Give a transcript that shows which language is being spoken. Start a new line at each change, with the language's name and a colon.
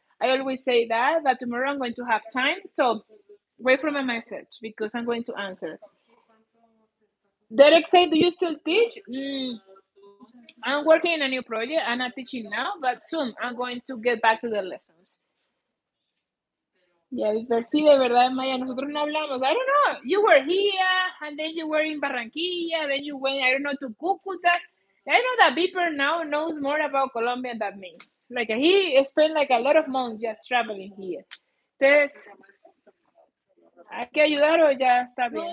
English: I always say that, but tomorrow I'm going to have time. So wait for my message because I'm going to answer. Derek said, do you still teach? I'm working in a new project. I'm not teaching now, but soon I'm going to get back to the lessons.
Spanish: Yeah, pero sí, de verdad, Maya, nosotros no hablamos.
English: I don't know. You were here, and then you were in Barranquilla, then you went, I don't know, to Cúcuta. I know that Beeper now knows more about Colombia than me. Like, he spent, like, a lot of months just traveling here.
Spanish: Entonces, ¿hay que ayudar o ya está bien?